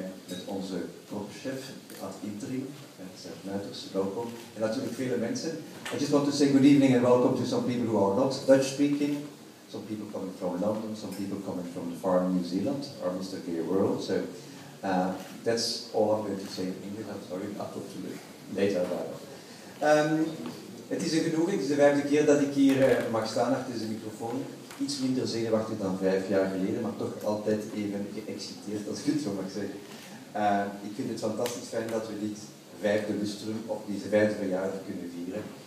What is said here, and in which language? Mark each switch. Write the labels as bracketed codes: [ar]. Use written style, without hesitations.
[nl] Met onze propchef ad interim, Sef Muiters, welkom. En natuurlijk vele mensen. [en] I just want to say good evening and welcome to some people who are not Dutch speaking. Some people coming from London, some people coming from the far New Zealand, or Mr. Gay World. So that's all I'm going to say in English. I'm sorry, I'll talk to you later about it. [nl] Het is een genoegen, het is de vijfde keer dat ik hier mag staan achter deze microfoon. Iets minder zenuwachtig dan 5 jaar geleden, maar toch altijd even geëxciteerd, als ik het zo mag zeggen. Ik vind het fantastisch fijn dat we dit vijfde lustrum op deze vijfde verjaardag kunnen vieren.